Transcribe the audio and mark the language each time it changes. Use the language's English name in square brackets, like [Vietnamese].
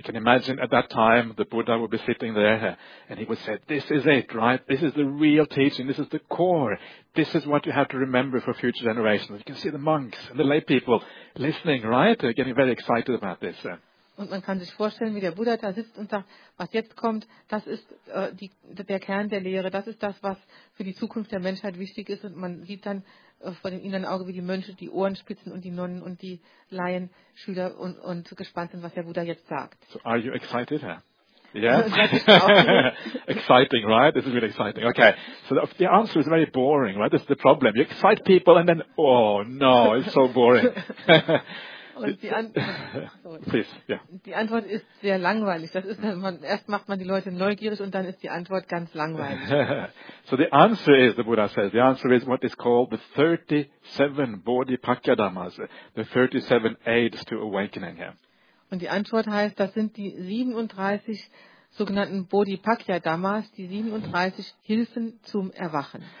[English] You can imagine at that time the Buddha would be sitting there and he would say, this is it, right? This is the real teaching. This is the core. This is what you have to remember for future generations. You can see the monks and the lay people listening, right? They're getting very excited about this. [German] Und man kann sich vorstellen, wie der Buddha da sitzt und sagt, was jetzt kommt, das ist der Kern der Lehre. Das ist das, was für die Zukunft der Menschheit wichtig ist. Und man sieht dann vor dem inneren Auge, wie die Mönche die Ohren spitzen und die Nonnen und die Laien, Schüler und gespannt sind, was der Buddha jetzt sagt. [English] So are you excited? Yes? Exciting, right? This is really exciting. Okay, so the answer is very boring, right? This is the problem. You excite people and then, oh no, it's so boring. [German] Und die Die Antwort ist sehr langweilig. Das ist, erst macht man die Leute neugierig und dann ist die Antwort ganz langweilig. [English] So the answer is, the Buddha says, the answer is what is called the 37 Bodhipakya-dhammas, the 37 aids to awakening here. [German] Und die Antwort heißt, das sind die 37 sogenannten Bodhipakya-dhammas, die 37 Hilfen zum Erwachen.